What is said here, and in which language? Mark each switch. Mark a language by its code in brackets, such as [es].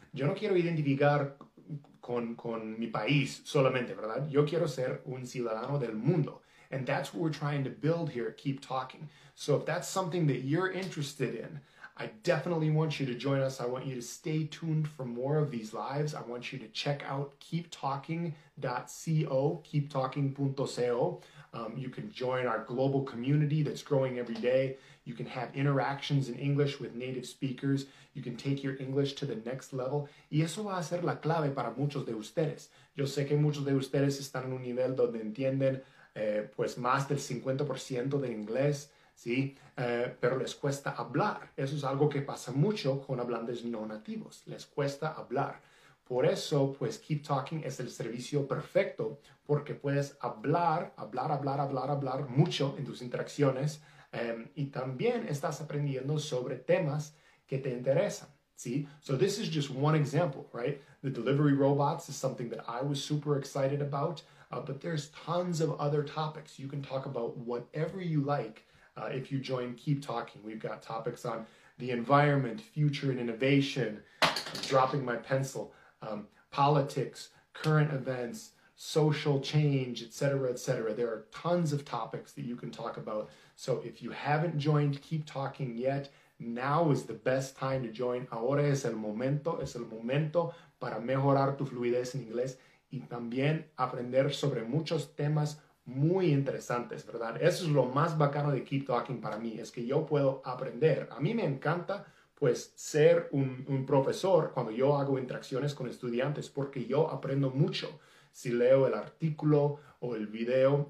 [es] Yo no quiero identificar con mi país solamente, ¿verdad? Yo quiero ser un ciudadano del mundo. [en] And that's what we're trying to build here at Keep Talking. So if that's something that you're interested in, I definitely want you to join us. I want you to stay tuned for more of these lives. I want you to check out keeptalking.co, keeptalking.co. You can join our global community that's growing every day. You can have interactions in English with native speakers. You can take your English to the next level. [es] Y eso va a ser la clave para muchos de ustedes. Yo sé que muchos de ustedes están en un nivel donde entienden pues más del 50% de inglés. ¿Sí? Pero les cuesta hablar. Eso es algo que pasa mucho con hablantes no nativos. Les cuesta hablar. Por eso, pues, Keep Talking es el servicio perfecto porque puedes hablar mucho en tus interacciones y también estás aprendiendo sobre temas que te interesan, [en] See, so this is just one example, right? The delivery robots is something that I was super excited about, but there's tons of other topics. You can talk about whatever you like if you join Keep Talking. We've got topics on the environment, future and innovation, I'm dropping my pencil, politics, current events, social change, et cetera, et cetera. There are tons of topics that you can talk about. So if you haven't joined Keep Talking yet, now is the best time to join. [es] Ahora es el momento para mejorar tu fluidez en inglés y también aprender sobre muchos temas muy interesantes, ¿verdad? Eso es lo más bacano de Keep Talking para mí, es que yo puedo aprender. A mí me encanta, pues, ser un profesor cuando yo hago interacciones con estudiantes porque yo aprendo mucho si leo el artículo o el video.